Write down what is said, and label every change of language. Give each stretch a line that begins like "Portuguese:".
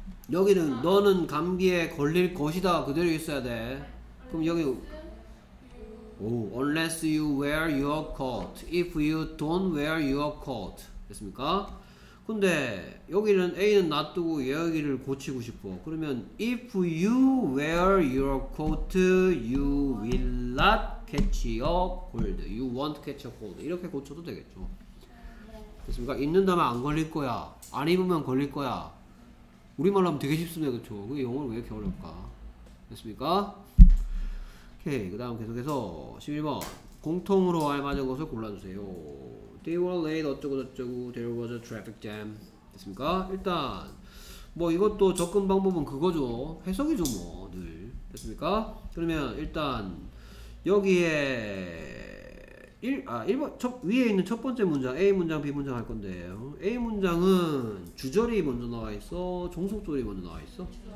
Korean: 여기는 너는 감기에 걸릴 것이다 그대로 있어야 돼. 그럼 여기
English: unless you wear your coat. If you don't wear your coat.
Korean: 됐습니까? 근데 여기는 A는 놔두고 여기를 고치고 싶어. 그러면
English: if you wear your coat, you will not catch a cold. You won't catch a cold.
Korean: 이렇게 고쳐도 되겠죠. 됐습니까? 입는다면 안 걸릴 거야. 안 입으면 걸릴 거야. 우리말로 하면 되게 쉽습니다. 그렇죠? 그게 영어를 왜 이렇게 어렵까? 됐습니까? 오케이, 그 다음 계속해서 11번 공통으로 알맞은 것을 골라주세요.
English: They were late
Korean: 어쩌고저쩌고
English: There was a traffic jam.
Korean: 됐습니까? 일단 뭐 이것도 접근 방법은 그거죠. 해석이죠 뭐 늘. 됐습니까? 그러면 일단 여기에 1번 첫, 위에 있는 첫 번째 문장 A 문장 B 문장 할 건데요. A 문장은 주절이 먼저 나와 있어? 종속절이 먼저 나와 있어?